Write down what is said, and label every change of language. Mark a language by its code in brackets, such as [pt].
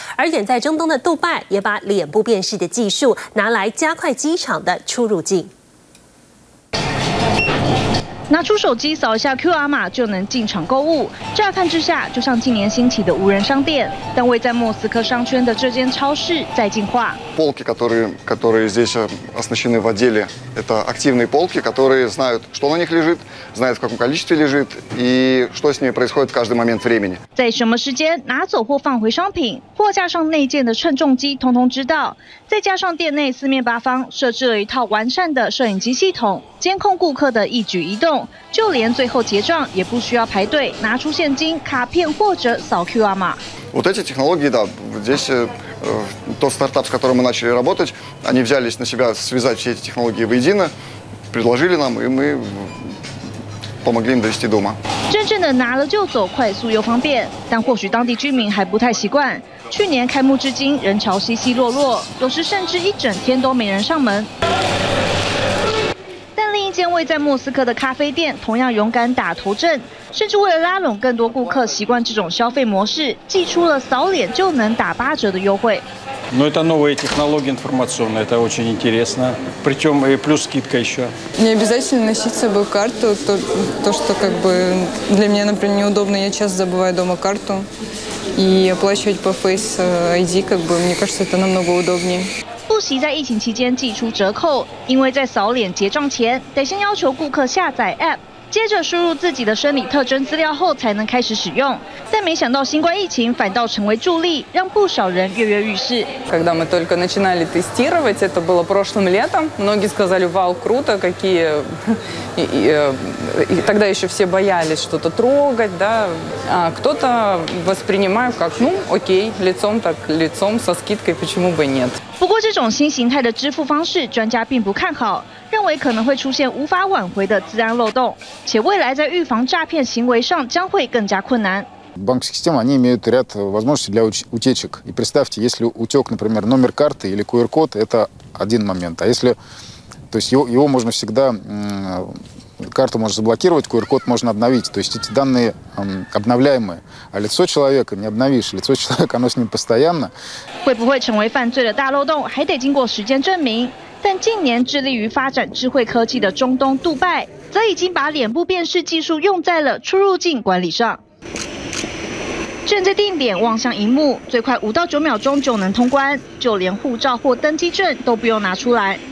[zh] 而远在中东的杜拜也把脸部辨识的技术拿来加快机场的出入境。拿出手机扫一下 QR 码就能进场购物，乍看之下就像近年兴起的无人商店，但位在莫斯科商圈的这间超市在进化。 [ru] Полки, которые здесь оснащены в отделе, это активные полки, которые знают, что на них лежит, знают, в каком количестве лежит и что с ними происходит в каждый момент времени. [zh] 在什么时间拿走或放回商品，货架上内建的称重机通通知道。再加上店内四面八方设置了一套完善的摄影机系统，监控顾客的一举一动。就连最后结账也不需要排队，拿出现金、卡片或者扫 QR 码。 [ru] Вот эти технологии, да, здесь тот стартап, с которым мы начали работать, они взялись на себя связать все эти технологии воедино, предложили нам, и мы помогли им довести дома. [zh] 真正的拿了就走，快速又方便，但或许当地居民还不太习惯。去年开幕至今，人潮稀稀落落，有时甚至一整天都没人上门。间位在莫斯科的咖啡店同样勇敢打头阵，甚至为了拉拢更多顾客习惯这种消费模式，寄出了扫脸就能打八折的优惠。 [ru] Но это новая технология информационная, это очень интересно. Причем и плюс скидка еще. Не обязательно носить с собой карту. То, что как бы для меня, например, неудобно, я часто забываю дома карту. И оплачивать по Face ID, как бы, мне кажется, это намного удобнее. [zh] 不惜在疫情期间寄出折扣，因为在扫脸结账前得先要求顾客下载 APP， 接着输入自己的生理特征资料后才能开始使用。但没想到新冠疫情反倒成为助力，让不少人跃跃欲试。 [ru] Когда мы только начинали тестировать, это было прошлым летом, многие сказали, вау, круто, какие. И тогда еще все боялись что-то трогать, да. А кто-то воспринимает как, ну, окей, лицом так лицом со скидкой, почему бы нет? [zh] 不过这种新形态的支付方式专家并不看好，认为可能会出现无法挽回的资安漏洞，且未来在预防诈骗行为上将会更加困难。 [ru] Банковские системы, они имеют ряд возможностей для утечек. И представьте, если утек, например, номер карты или QR-код, это один момент. А если, то есть его можно всегда, карту можно заблокировать, QR-код можно обновить. То есть эти данные обновляемые. А лицо человека не обновишь, лицо человека, оно с ним постоянно. [zh] 会不会成为犯罪的大漏洞，还得经过时间证明。但近年致力于发展智慧科技的中东杜拜，则已经把脸部辨识技术用在了出入境管理上。站在定点望向荧幕，最快五到九秒钟就能通关，就连护照或登机证都不用拿出来。